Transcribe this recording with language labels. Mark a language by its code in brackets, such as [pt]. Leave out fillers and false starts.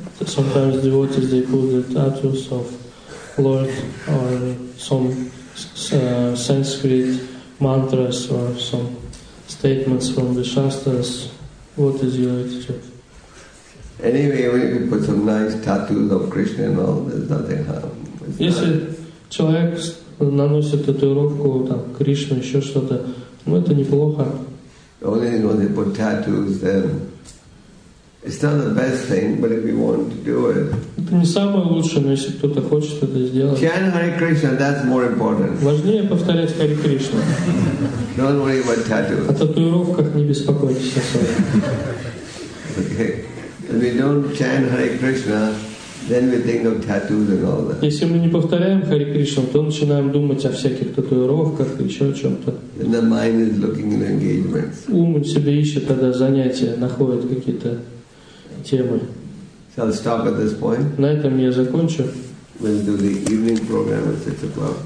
[en] Sometimes devotees, they put the tattoos of Lord or some Sanskrit mantras or some statements from the Shastras. What is your attitude? Anyway, when you put some nice tattoos of Krishna and all, there's nothing harm. [ru] Если человек наносит татуировку там Кришну, еще что-то, ну это неплохо. [en] The only thing when they put tattoos, then it's not the best thing, but if you want to do it. [ru] Это не самое лучшее, но если кто-то хочет это сделать. [en] Chant Hare Krishna, that's more important. [ru] Важнее повторять Харе Кришну. [en] Don't worry about tattoos. [ru] О татуировках не беспокойтесь особо. [en] Okay. If we don't chant Hare Krishna, then we think of tattoos and all that. [ru] Если мы не повторяем Харе Кришну, то начинаем думать о всяких татуировках и еще о чем-то. [en] Then the mind is looking in engagements. [ru] Ум себе ищет тогда занятия, находит какие-то темы. [en] So I'll stop at this point. [ru] На этом я закончу. [en] We'll do the evening program at 6 o'clock.